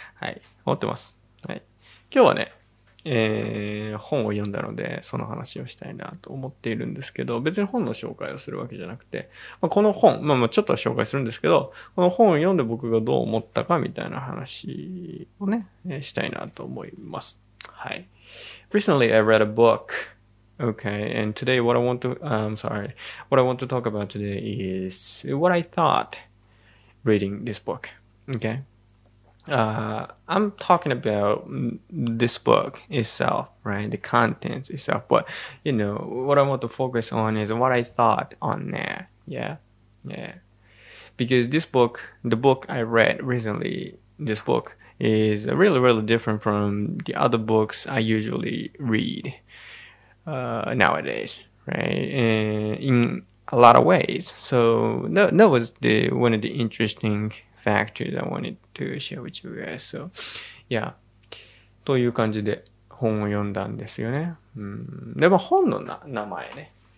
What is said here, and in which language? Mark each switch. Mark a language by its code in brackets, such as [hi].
[ja] はい、思ってます。はい。今日はね、本を読んだので、その話をしたいなと思っているんですけど、別に本の紹介をするわけじゃなくて、まあ、この本、まあ、ちょっと紹介するんですけど、この本を読んで僕がどう思ったかみたいな話をね、したいなと思います。 [en] はい。Recently, I read a book. Okay, and today what I want to, what I want to talk about today is what I thought reading this book. Okay? I'm talking about this book itself, right? The contents itself. But, you know, what I want to focus on is what I thought on that. Yeah. Yeah. Because this book, the book I read recently, this book is really, really different from the other books I usually read nowadays, right? And in a lot of ways. So that was one of the interesting factors I wanted to share with you guys. So, yeah. [ja] という感じで本を読んだんですよね。でも本の名前ね。